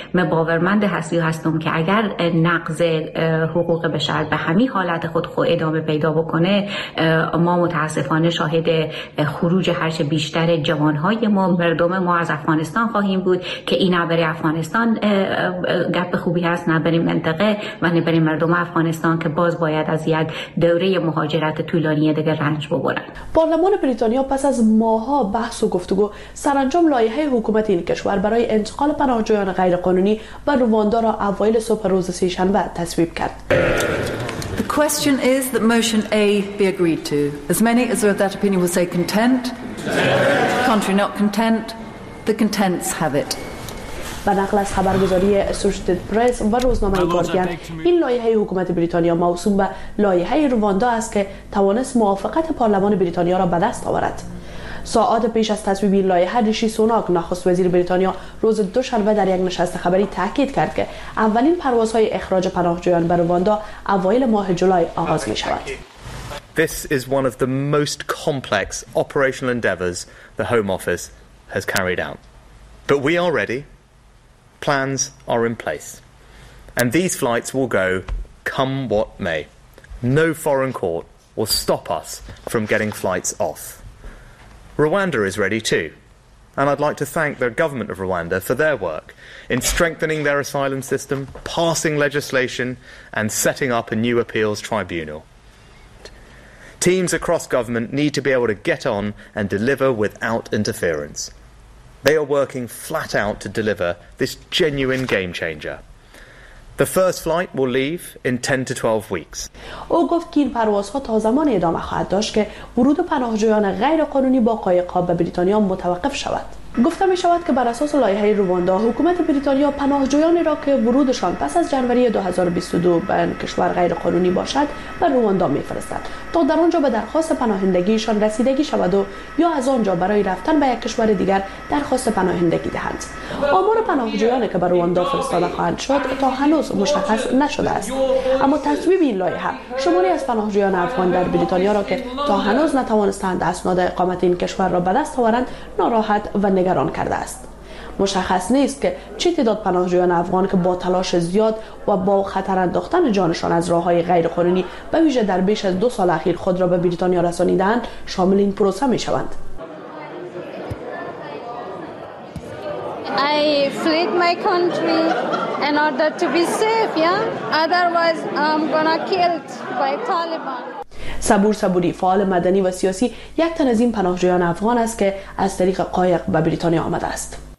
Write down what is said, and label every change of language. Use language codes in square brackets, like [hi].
[fa] مباورمند هستی هستم که اگر نقض حقوق بشر به همی حالت خود خوب ادامه پیدا بکنه، ما متاسفانه شاهد خروج هرچه بیشتر جوانهای ما، مردم ما از افغانستان خواهیم بود که این برای افغانستان گپ خوبی هست، نه برای منطقه و نه برای مردم افغانستان که باز باید از یک دوره مهاجرت طولانی دیگه رنج ببرند. پارلمان بریتانیا پس از ماها بحث و گفتگو سرانجام لایحه حکومت این کشور برای انتقال پناهجویان غیرقانونی به رواندا را اوایل صبح روز سه‌شنبه تصویب کرد. [en] The question is that motion A be agreed to. As many as are of that opinion will say content. Contrary not content. The contents have it. [fa] به نقل از خبرگزاری اسوشیتد پرس و روزنامه گاردین، این لایحه حکومت بریتانیا موسوم به لایحه رواندا است که توانست موافقت پارلمان بریتانیا را به دست آورد. ساعات پیش از تصویب این لایحه، ریشی سوناک نخست وزیر بریتانیا روز دوشنبه در یک نشست خبری تاکید کرد که اولین پروازهای اخراج پناهجویان به رواندا اوایل ماه جولای آغاز می شود. [en] This is one of the most complex operational endeavors the Home Office has carried out. But we are ready. Plans are in place. And these flights will go come what may. No foreign court will stop us from getting flights off. Rwanda is ready too, and I'd like to thank the government of Rwanda for their work in strengthening their asylum system, passing legislation, and setting up a new appeals tribunal. Teams across government need to be able to get on and deliver without interference. They are working flat out to deliver this genuine game changer. The first flight will leave in 10 to 12 weeks. [fa] او گفت که این پروازها تا زمان ادامه خواهد داشت که ورود پناهجویان غیر قانونی با قایق‌ها به بریتانیا متوقف شود. گفته می شود که بر اساس لایحه رواندا، حکومت بریتانیا پناهجویانی را که ورودشان پس از جنوری 2022 به کشور غیرقانونی باشد به رواندا می فرستد تا در آنجا به درخواست پناهندگیشان رسیدگی شود و یا از آنجا برای رفتن به یک کشور دیگر درخواست پناهندگی دهند. آمار پناهجویانی که به رواندا فرستاده خواهند شد تا هنوز مشخص نشده است، اما تصویب این لایحه شماری از پناهجویان افغان در بریتانیا را که تا هنوز نتوانستند اسناد اقامت این کشور را به دست آورند ناراحت و نگران کرده است. مشخص نیست که چه تعداد پناهجویان افغان که با تلاش زیاد و با خطر انداختن جانشان از راه‌های غیرقانونی به ویژه در بیش از 2 سال اخیر خود را به بریتانیا رسانیدند شامل این پروسه می شوند. [en] I fled my country in order to be safe, yeah? Otherwise I'm gonna killed by Taliban. [fa] صبور صبوری، فعال مدنی و سیاسی، یک تن از این پناهجویان افغان است که از طریق قایق به بریتانیا آمده است.